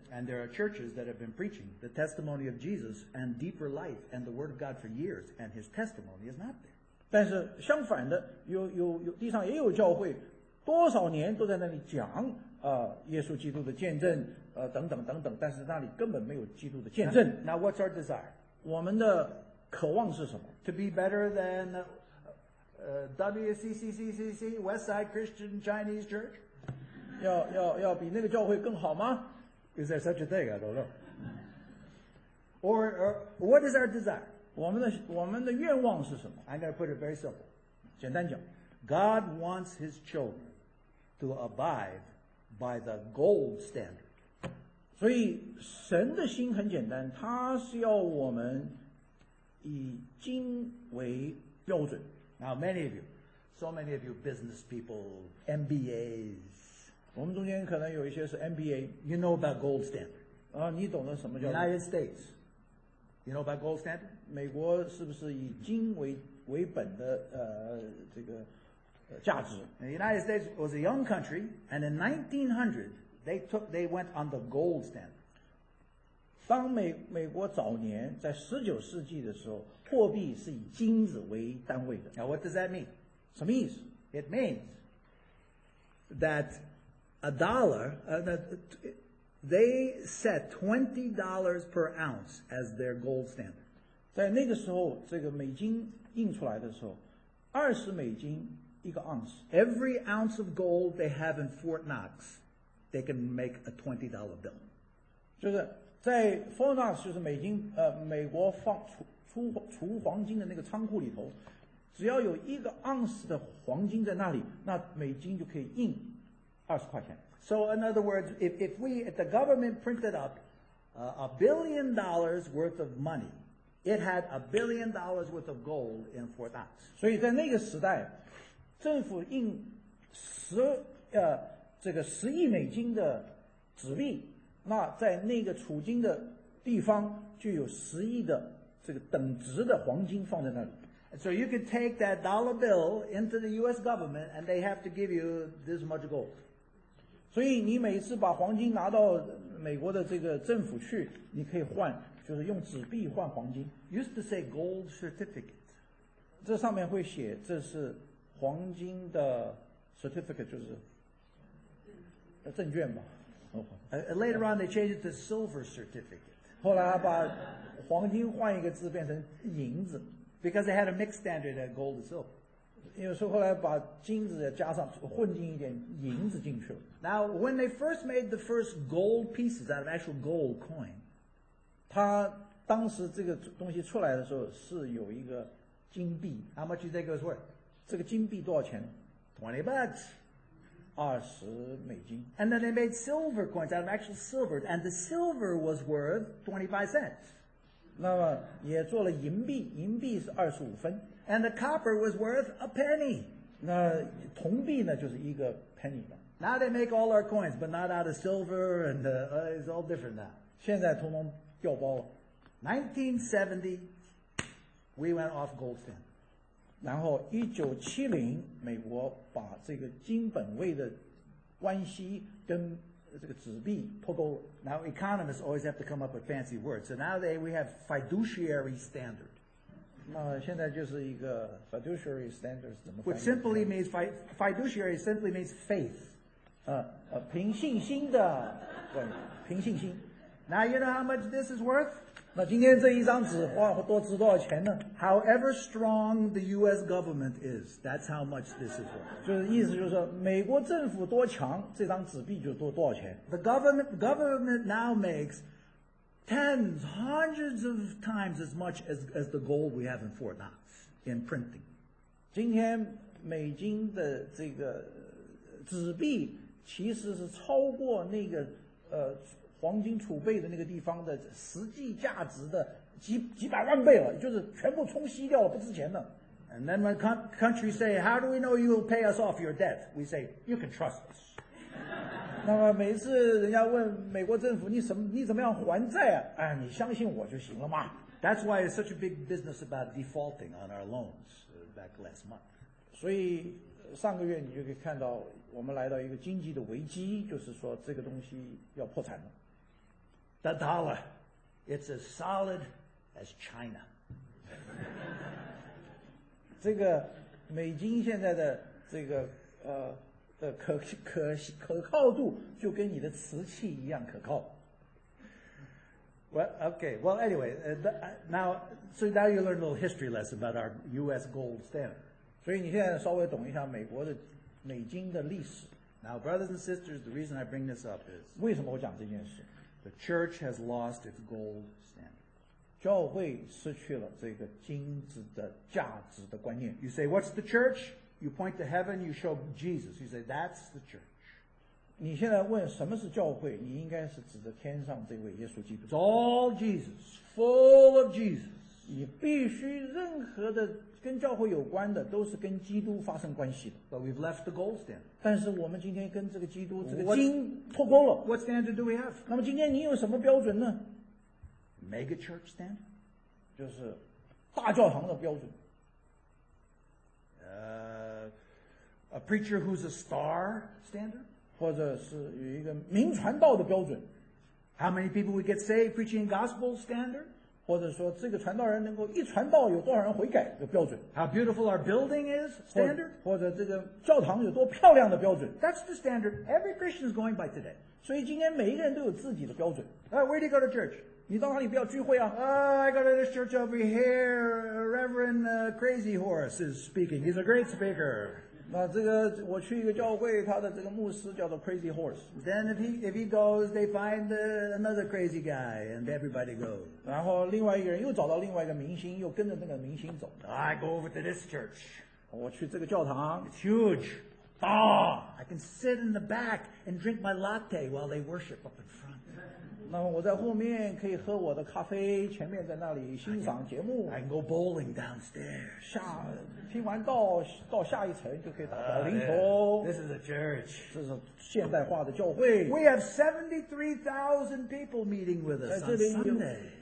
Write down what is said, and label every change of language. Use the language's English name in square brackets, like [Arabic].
[English] And there are churches that have been preaching the testimony of Jesus and deeper life and the word of God for years, and his testimony is not there. [Chinese] 但是相反的，有地上也有教会，多少年都在那里讲耶稣基督的见证，等等等等，但是那里根本没有基督的见证。 [English] Now what's our desire? [Chinese] 我们的渴望是什么？ [English] To be better than WCCCCC, Westside Christian Chinese Church? [Chinese] 要比那个教会更好吗？ [English] Is there such a thing? I don't know. Or what is our desire? [Chinese] 我们的愿望是什么？ [English] I'm going to put it very simple. [Chinese] 简单讲。 [English] God wants his children to abide by the gold standard. [Chinese] 所以神的心很简单，他是要我们以金为标准。 [English] Now, many of you, so many of you business people, MBAs. [Chinese] 我们中间可能有一些是 MBA. [English] You know about gold standard. [Chinese] 你懂得什么叫 [English] United States. You know about gold standard? [Chinese] 美国是不是以金为本的这个价值？ [English] The United States was a young country, and in 1900, they went on the gold standard. [Chinese] 当美国早年在十九世纪的时候，货币是以金子为单位的。 [English] Now what does that mean? [Chinese] 什么意思？ [English] It means that a dollar, they set $20 per ounce as their gold standard. [Chinese] 在那个时候，这个美金印出来的时候，二十美金一个 ounce. [English] Every ounce of gold they have in Fort Knox, they can make a $20 bill. [Chinese] 就是在 Fort Knox 就是美金，美国放出储黄金的那个仓库里头，只要有一个盎司的黄金在那里，那美金就可以印$20。 [English] So in other words, if the government printed up $1 billion worth of money, it had $1 billion worth of gold in Fort Knox. [Chinese] 所以在那个时代，政府印十亿美金的纸币，那在那个储金的地方就有十亿的。这个等值的黄金放在那里。 [English] So you can take that dollar bill into the U.S. government and they have to give you this much gold. [Chinese] 所以你每次把黄金拿到美国的这个政府去，你可以换，就是用纸币换黄金。 [English] Used to say gold certificate. [Chinese] 这上面会写这是黄金的 certificate, 就是证券吧。 [English] Later on they changed it to silver certificate. [Chinese] 后来把黄金换一个字变成银子 [English] ，because they had a mixed standard of gold and silver. [Chinese] 因为说后来把金子加上混进一点银子进去了。 [English] Now when they first made the first gold pieces out of actual gold coin, [Chinese] 他当时这个东西出来的时候是有一个金币。 [English] How much do you think it was worth? [Chinese] 这个金币多少钱 [English] ？$20. [Chinese] 二十美金。 [English] And then they made silver coins out of actual silver, and the silver was worth 25 cents. [Chinese] 那么也做了银币，银币是二十五分。 [English] And the copper was worth a penny. [Chinese] 那铜币呢，就是一个 penny 的。 [English] Now they make all our coins, but not out of silver, and it's all different now. [Chinese] 现在统统掉包了。 [English] 1970, we went off gold standard. [Chinese] 然后1970美国把这个金本位的关系跟这个纸币脱钩了。 [English] Now economists always have to come up with fancy words. So nowadays we have fiduciary standard. [Chinese] 那现在就是一个 [English] fiduciary standard [Chinese] 怎么翻译 [English] ？Which simply means fiduciary simply means faith. [Chinese] 凭信心的，对，凭信心。 [English] Now you know how much this is worth? [Chinese] 那今天这一张纸花多值多少钱呢？ [English] However strong the US government is, that's how much this is worth. [Chinese] 就是意思就是说美国政府多强，这张纸币就多多少钱。 [English] The government now makes tens, hundreds of times as much as the gold we have in Fort Knox in printing. [Chinese] 今天美金的这个纸币其实是超过那个黄金储备的那个地方的实际价值的 几百万倍了，就是全部冲吸掉了，不值钱的。 [English] And then when country say, how do we know you will pay us off your debt? We say, you can trust us. [Chinese] 那么每次人家问美国政府你怎么样还债啊，哎，你相信我就行了嘛。 [English] That's why it's such a big business about defaulting on our loans back last month. [Chinese] 所以上个月你就可以看到我们来到一个经济的危机，就是说这个东西要破产了。 [English] The dollar, it's as solid as China. [Chinese] 这个美金现在的这个可靠度就跟你的瓷器一样可靠。 [English] Well, okay. Well, anyway, now you learn a little history lesson about our U.S. gold standard. [Chinese] 所以你现在稍微懂一下美国的美金的历史。 [English] Now, brothers and sisters, the reason I bring this up is [Chinese] 为什么我讲这件事？ [English] The church has lost its gold standard. [Chinese] 教会失去了这个金子的价值的观念。 [English] You say, what's the church? You point to heaven, you show Jesus. You say, that's the church. [Chinese] 你现在问什么是教会，你应该是指着天上这位耶稣基督。 [English] It's all Jesus, full of Jesus. [Chinese] 你必须任何的跟教会有关的都是跟基督发生关系的。 [English] But we've left the gold standard. [Chinese] 但是我们今天跟这个基督这个金脱钩了。 [English] What standard do we have? [Chinese] 那么今天你有什么标准呢？ [English] Mega church standard? [Chinese] 就是大教堂的标准。 [English] A preacher who's a star standard? [Chinese] 或者是有一个名传道的标准。 [English] How many people would get saved preaching gospel standard? [Chinese] 或者说这个传道人能够一传道有多少人悔改的标准。 [English] How beautiful our building is, standard? [Chinese] 或者这个教堂有多漂亮的标准。 [English] That's the standard every Christian is going by today. [Chinese] 所以今天每一个人都有自己的标准。 [English] Where do you go to church? [Chinese] 你到哪里不要聚会啊。 [English] I go to this church over here, Reverend Crazy Horse is speaking. He's a great speaker. [Chinese] 那这个我去一个教会，他的这个牧师叫做 Crazy Horse. [English] Then if he goes, they find another crazy guy, and everybody goes. [Chinese] 然后另外一个人又找到另外一个明星，又跟着那个明星走。 [English] I go over to this church. [Chinese] 我去这个教堂。 [English] It's huge. Ah,、oh, I can sit in the back and drink my latte while they worship up in front. [Chinese] 那么我在后面可以喝我的咖啡，前面在那里欣赏节目。 [English] I can go bowling downstairs. [Chinese] 听完到下一层就可以打保龄球。 [English] This is a church. [Chinese] 这是现代化的教会。 [English] We have 73,000 people meeting with us on Sunday.